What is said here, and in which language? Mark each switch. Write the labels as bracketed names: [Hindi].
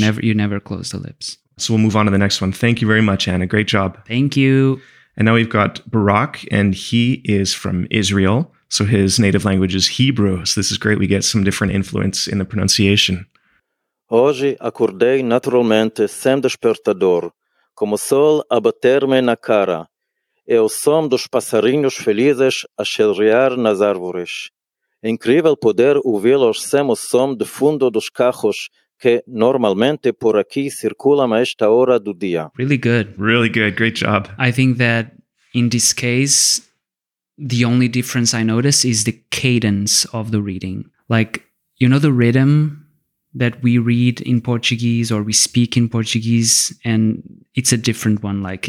[English] Never, you never close the lips. So we'll move on to the next one. Thank you very much, Anna. Great job. Thank you. And now we've got Barak, and he is from Israel. So his native language is Hebrew. So this is great. We get some different influence in the pronunciation. [Portuguese] Hoje acordei naturalmente sem despertador. Como sol a bater-me na cara, é o som dos passarinhos felizes a cheirar nas árvores. É incrível poder ouvi-los sem o som de fundo dos carros que normalmente por aqui circulam a esta hora do dia. [English] Really good. Really good. Great job. I think that in this case, the only difference I notice is the cadence of the reading. Like, you know the rhythm that we read in Portuguese or we speak in Portuguese, and it's a different one. Like,